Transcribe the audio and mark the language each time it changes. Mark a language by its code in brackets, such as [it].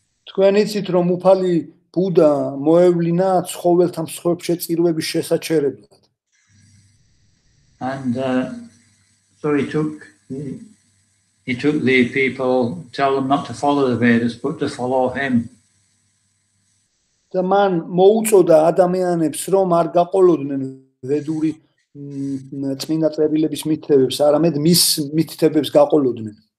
[ka] თქვენ იცით რომ უფალი ბუდა მოევლინა ცხოველთა მსხვერპლშეწირვების შესაჩერებლად. [en] And so he took the people, tell them not to follow the Vedas but to follow him. [ka] და მან მოუწოდა ადამიანებს რომ არ გაყოლოდნენ ვედური წმინდა წერილების მითითებს, არამედ მის მითითებს გაყოლოდნენ.